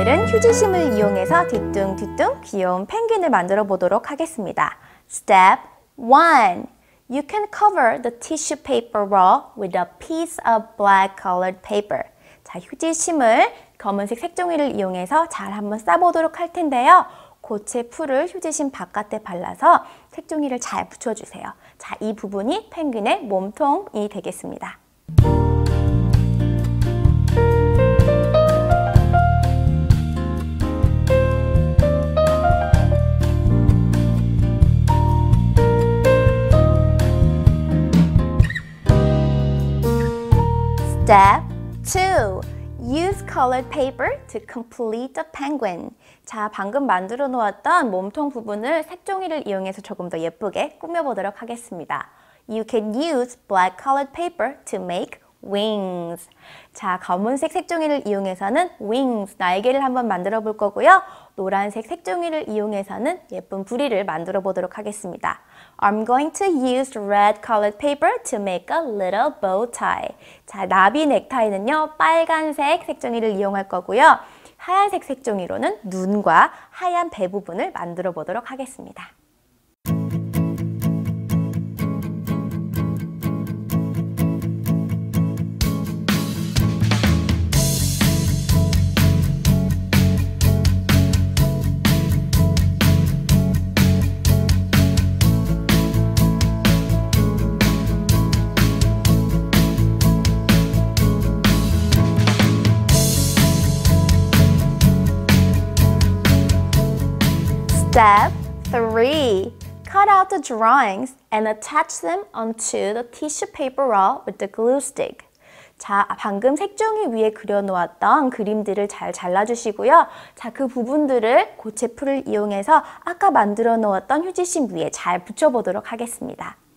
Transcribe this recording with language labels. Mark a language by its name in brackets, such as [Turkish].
[Korean] 휴지심을 이용해서 뒤뚱뒤뚱 귀여운 펭귄을 만들어 보도록 하겠습니다. [English] Step 1. You can cover the tissue paper roll with a piece of black colored paper. [Korean] 자, 휴지심을 검은색 색종이를 이용해서 잘 한번 싸보도록 할 텐데요. 고체 풀을 휴지심 바깥에 발라서 색종이를 잘 붙여주세요. 자, 이 부분이 펭귄의 몸통이 되겠습니다. [English] Step 2. Use colored paper to complete the penguin. [Korean] 자, 방금 만들어 놓았던 몸통 부분을 색종이를 이용해서 조금 더 예쁘게 꾸며보도록 하겠습니다. [English] You can use black colored paper to make wings. [Korean] 자, 검은색 색종이를 이용해서는 wings, 날개를 한번 만들어 볼 거고요. 노란색 색종이를 이용해서는 예쁜 부리를 만들어 보도록 하겠습니다. [English] I'm going to use red colored paper to make a little bow tie. [Korean] 자, 나비 넥타이는요, 빨간색 색종이를 이용할 거고요. 하얀색 색종이로는 눈과 하얀 배 부분을 만들어 보도록 하겠습니다. [English] Step 3. Cut out the drawings and attach them onto the tissue paper roll with the glue stick. [Korean] 자, 방금 색종이 위에 그려놓았던 그림들을 잘 잘라주시고요. 자, 그 부분들을 고체 풀을 이용해서 아까 만들어 놓았던 휴지심 위에 잘 붙여보도록 하겠습니다.